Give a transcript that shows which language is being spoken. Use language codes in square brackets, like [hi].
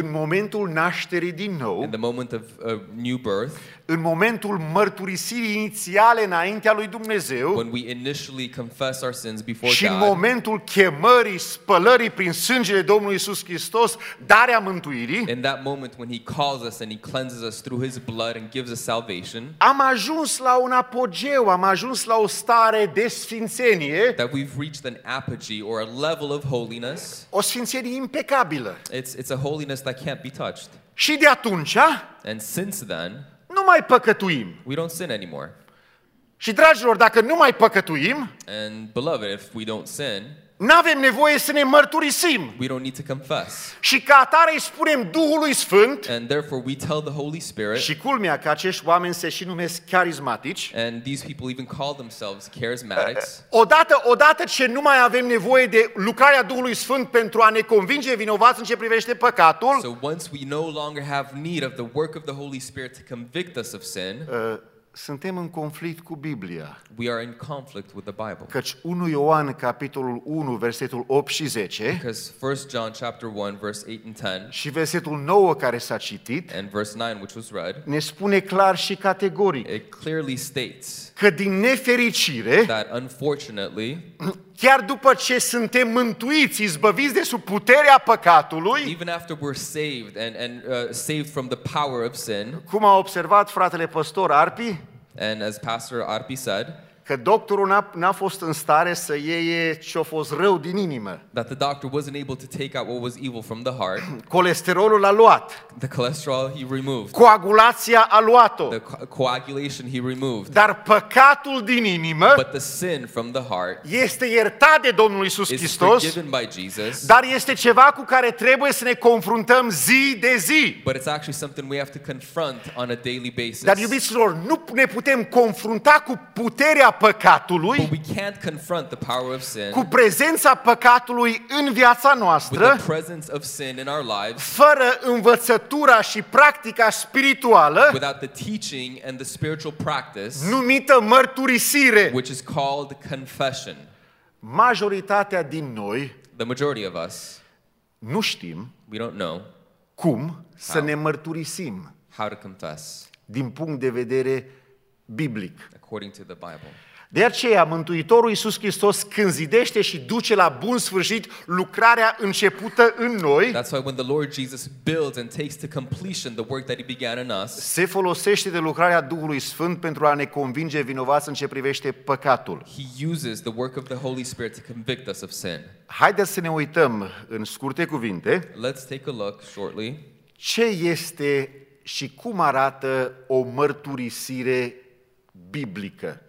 [ro] în momentul nașterii din nou, [en] in the moment of new birth, [ro] în momentul mărturisirii inițiale înaintea lui Dumnezeu, [en] when we initially confess our sins before [ro] și [en] God, [ro] și momentul chemării, spălării prin sângele Domnului Iisus Hristos, darea mântuirii, [en] in that moment when He calls us and He cleanses us through His blood and gives us salvation, [ro] am ajuns la un apogeu, am ajuns la o stare de sfințenie, [en] that we've reached an apogee or a level of holiness, [ro] o sfințenie impecabilă. [en] It's a holiness that can't be touched. [ro] Și de atunci, [en] and since then, [ro] nu mai păcătuim. [en] We don't sin anymore. [ro] Și dragilor, dacă nu mai păcătuim, [en] and beloved, if we don't sin, [ro] n-avem nevoie să ne mărturisim. [en] We don't need to confess. [ro] Și ca atare îi spunem Duhului Sfânt, [en] and therefore we tell the Holy Spirit, [ro] și culmea că acești oameni se și numesc charismatici, [en] and these people even call themselves charismatics, [ro] odată ce nu mai avem nevoie de lucrarea Duhului Sfânt pentru a ne convinge vinovați în ce privește păcatul, [en] so once we no longer have need of the work of the Holy Spirit to convict us of sin, [ro] suntem în conflict cu Biblia. [en] We are in conflict with the Bible. [ro] Căci 1 Ioan capitolul 1 versetul 8 și 10. [en] Because 1 John chapter 1 verse 8 and 10. [ro] Și versetul 9 care s-a citit. [en] And verse 9 which was read. [ro] Ne spune clar și categoric. [en] It clearly states. [ro] Că din nefericire, [en] that unfortunately, [ro] chiar după ce suntem mântuiți, izbăviți de sub puterea păcatului, [en] even after we're saved and saved from the power of sin, [ro] cum a observat fratele pastor Arpi, [en] and as Pastor Arpi said, [ro] că doctorul n-a fost în stare să ieie ce a fost rău din inimă, [en] that the doctor wasn't able to take out what was evil from the heart, [ro] colesterolul a luat, [en] the cholesterol he removed, [ro] coagulația a luat-o, [en] the coagulation he removed, [ro] dar păcatul din inimă, [en] but the sin from the heart, [ro] este iertat de Domnul Iisus Hristos, [en] is forgiven by Jesus, [ro] dar este ceva cu care trebuie să ne confruntăm zi de zi, [en] but it's actually something we have to confront on a daily basis. [ro] Dar iubiților, nu ne putem confrunta cu puterea păcatului, [en] but we can't confront the power of sin, [ro] cu prezența păcatului în viața noastră, [en] with the presence of sin in our lives, [ro] fără învățătura și practica spirituală, [en] without the teaching and the spiritual practice, [ro] numită mărturisire, [en] which is called confession. [ro] Majoritatea din noi, [en] the majority of us, [ro] nu știm, [en] we don't know, [ro] cum să ne mărturisim, [en] how to confess, [ro] din punct de vedere biblic. [en] According to the Bible. [ro] De aceea, Mântuitorul Iisus Hristos când zidește și duce la bun sfârșit lucrarea începută în noi, [en] that's why when the Lord Jesus builds and takes to completion the work that He began in us, [ro] se folosește de lucrarea Duhului Sfânt pentru a ne convinge vinovați în ce privește păcatul. [en] He uses the work of the Holy Spirit to convict us of sin. [ro] Haideți să ne uităm în scurte cuvinte. [en] Let's take a look shortly. [ro] Ce este și cum arată o mărturisire biblică?